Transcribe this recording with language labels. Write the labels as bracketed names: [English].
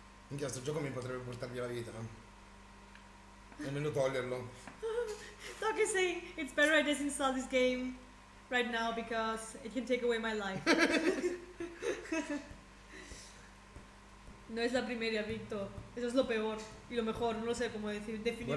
[Italian] In questo gioco mi potrebbe portare via la vita. Nemmeno toglierlo. [English] Doc is saying it's better I just install this game right now because it can take away my life. [Spanish] No es la primera, Victor. Eso es lo peor y lo mejor, no lo sé cómo decir, definirlo.